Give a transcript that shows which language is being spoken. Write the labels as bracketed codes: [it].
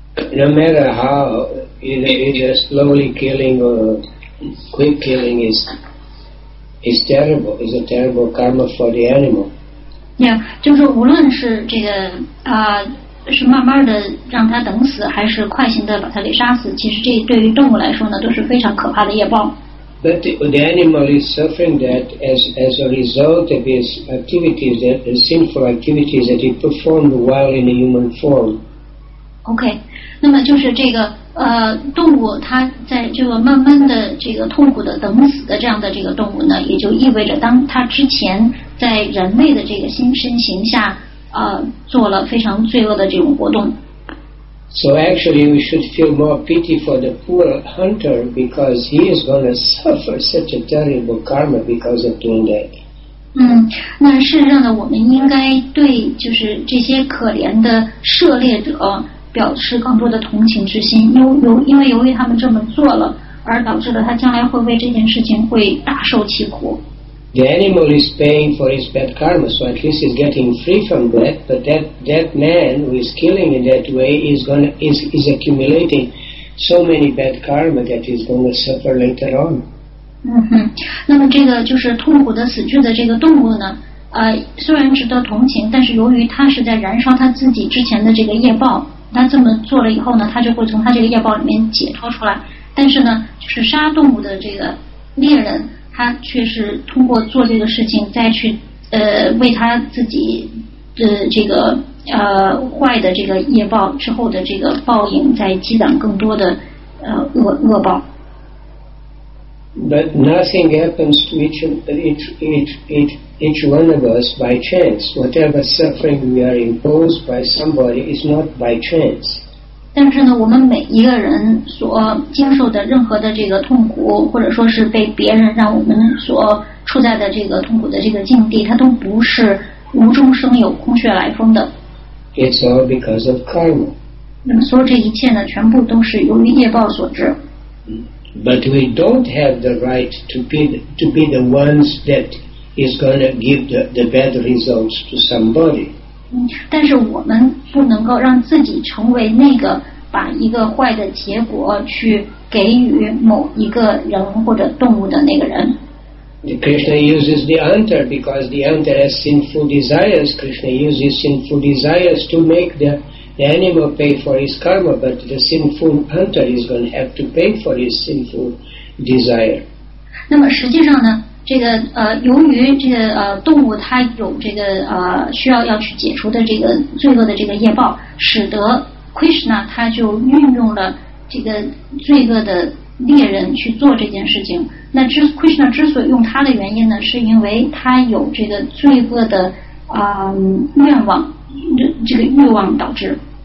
[en] No matter how you're slowly killing or quick killing is terrible. It's a terrible karma for the animal. [zh] Yeah, 就是无论是这个是慢慢的让它等死，还是快行的把它给杀死，其实这对于动物来说呢，都是非常可怕的业报。 [en] But the animal is suffering that as a result of his activities, the sinful activities that he performed while in a human form. [zh] Okay, 那么就是这个动物它在这个慢慢的这个痛苦的等死的这样的这个动物呢，也就意味着当它之前在人类的这个新身形下做了非常罪恶的这种活动。 [en] So actually, we should feel more pity for the poor hunter because he is going to suffer such a terrible karma because of doing that. [zh] 那事实上呢，我们应该对就是这些可怜的狩猎者表示更多的同情之心，因为由于他们这么做了，而导致了他将来会为这件事情会大受其苦。 [en] The animal is paying for his bad karma, so at least he's getting free from that. But that man who is killing in that way is accumulating so many bad karma that he's going to suffer later on. [zh] 那么这个就是痛苦的死去的这个动物呢，虽然值得同情，但是由于他是在燃烧他自己之前的这个业报，他这么做了以后呢，他就会从他这个业报里面解脱出来。但是呢，就是杀动物的这个猎人，他却是通过做这个事情再去为他自己的这个坏的这个业报之后的这个报应再积攒更多的恶报。 [en] But nothing happens to each one of us by chance. Whatever suffering we are imposed by somebody is not by chance. [zh] 但是呢，我们每一个人所经受的任何的这个痛苦，或者说是被别人让我们所处在的这个痛苦的这个境地，它都不是无中生有、空穴来风的。 [en] It's all because of karma. [zh] 那么所有这一切呢，全部都是由于业报所致。 [en] But we don't have the right to be the ones that is going to give the bad results to somebody. [zh] 但是我们不能够让自己成为那个把一个坏的结果去给予某一个人或者动物的那个人。 [en] Krishna uses the antar because the antar has sinful desires. Krishna uses sinful desires to make the animal pay for his karma, but the sinful antar is going to have to pay for his sinful desire. [zh] 那么实际上呢，这个由于这个动物它有这个需要要去解除的这个罪恶的这个业报，使得 Krishna 他就运用了这个罪恶的猎人去做这件事情。那 Krishna 之所以用他的原因呢，是因为他有这个罪恶的愿望，这个欲望导致。